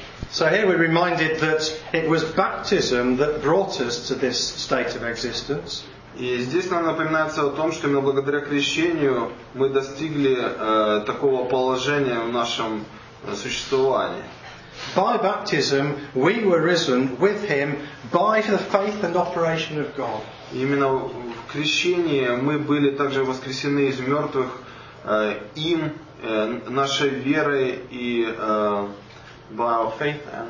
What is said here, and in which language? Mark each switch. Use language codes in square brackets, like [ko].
[en] So here we're reminded that it was baptism that brought us to this state of existence. [ru] И здесь нам напоминается о том, что именно благодаря крещению мы достигли такого положения в нашем существовании. [en] By baptism we were risen with him by the faith and operation of God. [ru] Именно в крещении мы были также воскресены из мертвых им нашей верой и [en] by our faith